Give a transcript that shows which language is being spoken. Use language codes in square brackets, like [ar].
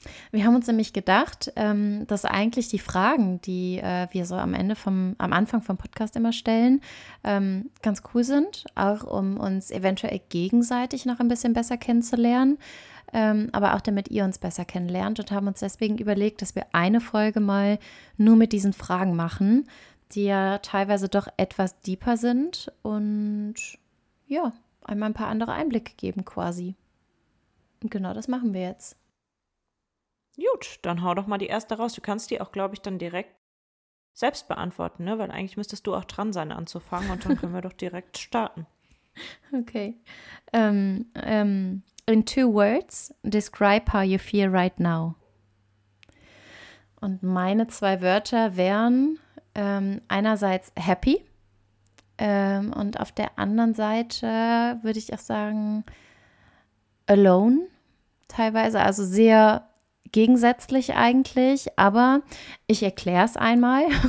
[de] Wir haben uns nämlich gedacht, dass eigentlich die Fragen, die wir so am Anfang vom Podcast immer stellen, ganz cool sind, auch um uns eventuell gegenseitig noch ein bisschen besser kennenzulernen, aber auch damit ihr uns besser kennenlernt, und haben uns deswegen überlegt, dass wir eine Folge mal nur mit diesen Fragen machen, die ja teilweise doch etwas deeper sind und ja, einmal ein paar andere Einblicke geben quasi. Und genau das machen wir jetzt. Gut, dann hau doch mal die erste raus. Du kannst die auch, glaube ich, dann direkt selbst beantworten, ne? Weil eigentlich müsstest du auch dran sein, anzufangen, und dann können wir doch direkt starten. Okay. [en] In two words, describe how you feel right now. [de] Und meine zwei Wörter wären einerseits happy und auf der anderen Seite würde ich auch sagen alone, teilweise, also sehr gegensätzlich eigentlich, aber ich erkläre es einmal.